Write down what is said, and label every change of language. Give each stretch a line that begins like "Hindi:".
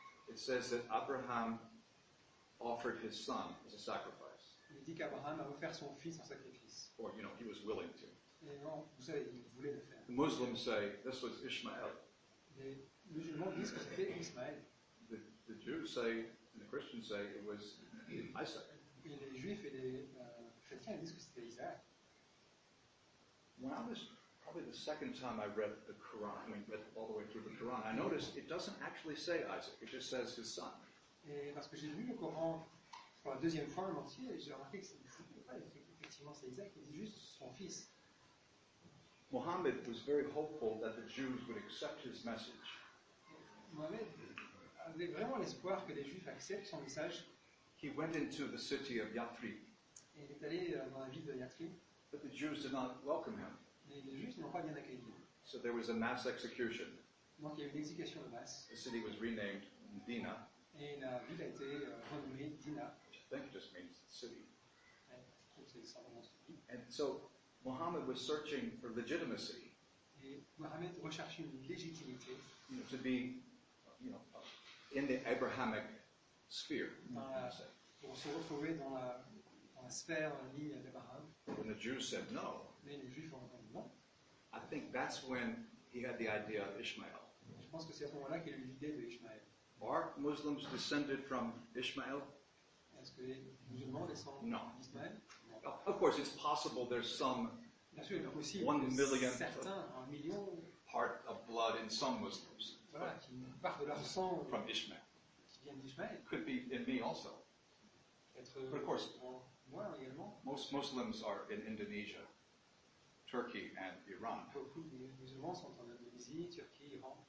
English: it says that Abraham offered his son as a sacrifice.
French: Il dit qu'Abraham a offert son fils en sacrifice.
English: Or, you know, he was willing to.
French: Et non, vous savez, il voulait le faire.
English: The Muslims say this was Ishmael.
French: Les musulmans disent que c'était Ismaël.
English: The Jews say, and the Christians say, it was Isaac.
French: Et les Juifs et les chrétiens disent que c'était Isaac.
English: When I was probably the second time I read the Quran, I mean, read all the way through the Quran, I noticed it doesn't actually say Isaac, it just says his son.
French: Et parce que j'ai lu le Coran Pour la deuxième fois, le mentier, j'ai remarqué que c'est pas effectivement c'est Isaac, c'est juste son fils.
English: Mohammed was very hopeful that the Jews would accept his message.
French: Mohammed avait vraiment l'espoir que les Juifs acceptent son message.
English: He went into the city of Yathrib.
French: Il est allé dans la ville de Yathrib.
English: But the Jews did not welcome him.
French: Mais les Juifs n'ont pas bien accueilli.
English: So there was a mass execution.
French: Donc il y a eu une exécution de masse.
English: The city was renamed Dina.
French: Et la ville a été renommée Dina.
English: Which I think just means city.
French: Ouais,
English: and so Muhammad was searching for legitimacy.
French: Et Muhammad recherchait une légitimité.
English: You know, to be, you know, in the Abrahamic sphere.
French: Pour se retrouver dans la sphère en ligne d'Abraham.
English: And the Jews said no.
French: Mais les Juifs ont dit non.
English: I think that's when he had the idea of Ishmael.
French: Je pense que c'est à ce moment-là qu'il a eu l'idée de Ishmael.
English: Are Muslims descended from Ishmael?
French: Est-ce que les musulmans descendent d'Ismaël?
English: No. Of course, it's possible there's some
French: sûr, possible,
English: 1 million,
French: certains, un million
English: part of blood in some Muslims.
French: Voilà, qui part de leur sang
English: from Ishmael.
French: Qui viennent d'Ishmael.
English: Could be in me also.
French: Être
English: but of course,
French: moi également.
English: Most Muslims are in Indonesia, Turkey, and Iran.
French: Beaucoup de musulmans sont en Indonésie, Turquie, Iran.